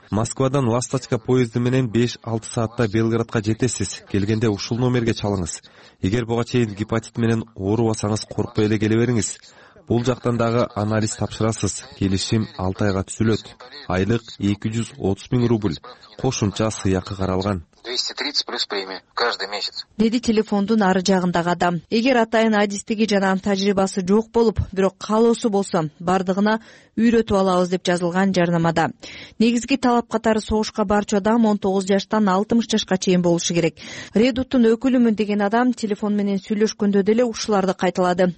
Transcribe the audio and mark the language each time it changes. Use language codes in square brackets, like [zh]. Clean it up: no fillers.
[ky] Москвадан ласточка поезду менен 5-6 саатта Белгородко жетесиз. Келгенде ушул номерге чалыңыз. Эгер буга чейин гепатит менен оорубасаңыз, коркпой эле келе бериңиз. Бул жактан дагы анализ тапшырасыз. Келишим 6 айга түзүлөт. Айлык 230,000 рубль. Кошумча сыйакы каралган. [ru] 230 плюс премия каждый месяц. [ky] Деди телефондун ары жагындагы адам. Эгер атайын адистиги жана тажрыйбасы жок болуп, бирок каалоосу болсо, бардыгына үйрөтүп алабыз деп жазылган жарнамада. Негизги талап катары согушка барчу адам 19 жаштан 60 жашка чейин болушу керек. Редуттун өкүлүмүн деген адам телефон менен сүйлөшкөндө деле ушуларды кайталады.